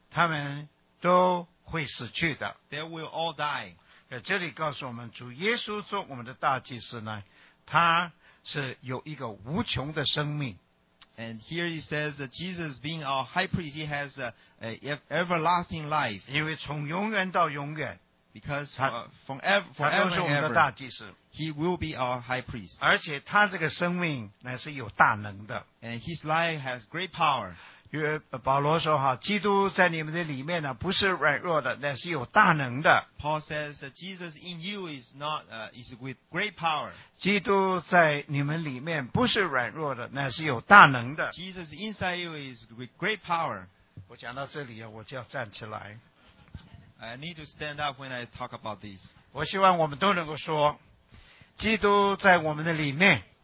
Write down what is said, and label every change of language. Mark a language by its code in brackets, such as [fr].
[zh] 他们都会死去的。 [en] They will all die. [zh] 这里告诉我们，主耶稣做我们的大祭司呢？他是有一个无穷的生命。 [en] And here he says that Jesus being our high priest, he has an everlasting life. [zh] 因为从永远到永远。 [en] Because forever and ever, [zh] 他都是我们的大祭司。 [en] He will be our high priest. [zh] 而且他这个生命乃是有大能的。 [en] And his life has great power. [zh] 因为保罗说哈，基督在你们的里面呢，不是软弱的，乃是有大能的。 [en] Paul says that Jesus in you is not is with great power. [zh] 基督在你们里面不是软弱的，乃是有大能的。 [en] Jesus inside you is with great power. [zh] 我讲到这里啊，我就要站起来。 [en] I need to stand up when I talk about this. [zh] 我希望我们都能够说，基督在我们的里面，